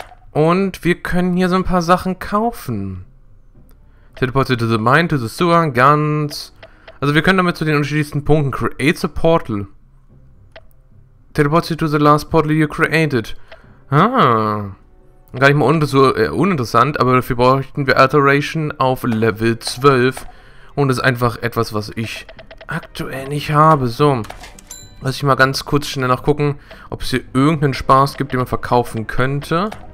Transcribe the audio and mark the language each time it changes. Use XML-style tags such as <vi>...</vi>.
<de>Und wir können hier so ein paar Sachen kaufen.</de> <en>Teleported to the mine, to the sewer, guns.</en> <de>Also wir können damit zu den unterschiedlichsten Punkten.</de> <en>Create a portal. Teleport you to the last portal you created. Ah.</en> <de>Gar nicht mal uninteressant, aber dafür bräuchten wir Alteration auf Level 12. Und das ist einfach etwas, was ich aktuell nicht habe. So. Lass ich mal ganz kurz schnell nachgucken, ob es hier irgendeinen Spaß gibt, den man verkaufen könnte.</de>